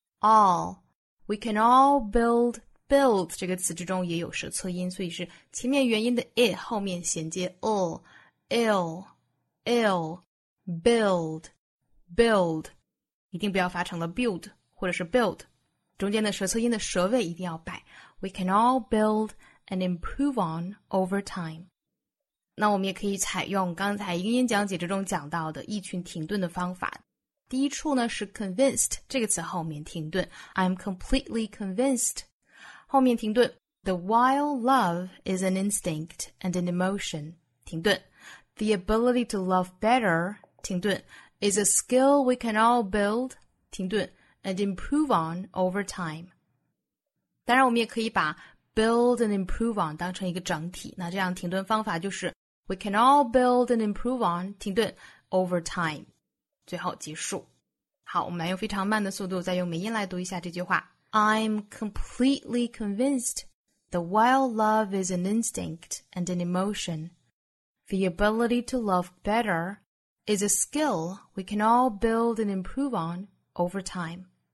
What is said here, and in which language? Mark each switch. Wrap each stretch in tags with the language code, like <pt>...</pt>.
<en>All, we can all build, build</en> <zh>这个词之中也有舌侧音所以是前面元音的 it 后面衔接 ill, ill, ill, build, build, 一定不要发成了 build 或者是 build。中间的舌侧音的舌位一定要摆。</zh> <en>We can all build and improve on over time.</en> <zh>那我们也可以采用刚才英音讲解之中讲到的异群停顿的方法。第一处呢是 convinced, 这个词后面停顿。</zh> <en>I'm completely convinced.</en> <zh>后面停顿。</zh> <en>The while love is an instinct and an emotion.</en> <zh>停顿。</zh> <en>The ability to love better.</en> <zh>停顿。</zh> <en>Is a skill we can all build.</en> <zh>停顿。</zh> <en>And improve on over time.</en> <zh>当然我们也可以把 build and improve on 当成一个整体。那这样停顿方法就是</zh> <en>We can all build and improve on,</en> <zh>停顿 over time. 最后结束。好我们来用非常慢的速度再用美音来读一下这句话。</zh> <en>I'm completely convinced that while love is an instinct and an emotion, the ability to love better is a skill we can all build and improve on,over time.</en>